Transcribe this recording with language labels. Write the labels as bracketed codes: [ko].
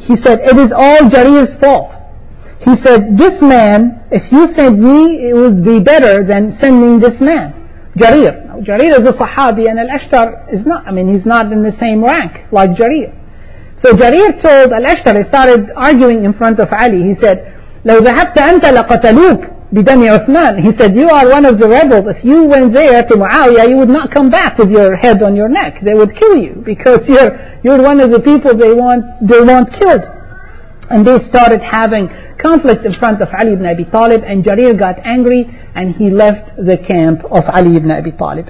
[en] He said, "It is all Jarir's fault." He said, "This man, if you send me, it would be better than sending this man, Jarir." Now, Jarir is a Sahabi, and Al-Ashtar is not, I mean, he's not in the same rank like Jarir. So Jarir told Al-Ashtar, he started arguing in front of Ali. He said, [ar] "لو ذهبت أنت لقتلوك بدم عثمان." [en] He said, "You are one of the rebels. If you went there to Muawiyah, you would not come back with your head on your neck. They would kill you because you're one of the people they want killed." And they started having conflict in front of Ali ibn Abi Talib, and Jarir got angry and he left the camp of Ali ibn Abi Talib.